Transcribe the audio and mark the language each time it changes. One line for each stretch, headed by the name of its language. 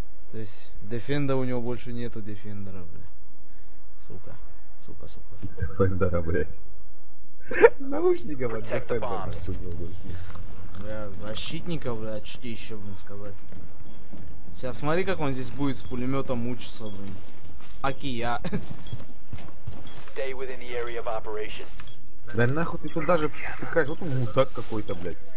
Russian: То есть дефендер у него больше нету дефендера, блядь. Сука. Сука, сука. Дефендера, блядь. Наушников от дефендера, сука, блядь. Бля, защитника, блядь, что еще, блин, сказать. Сейчас смотри, как он здесь будет с пулеметом мучиться, блин. Акия.
English: Stay within the area of operation.
Russian: Да нахуй ты туда же пикаешь, вот он мудак какой-то, блядь.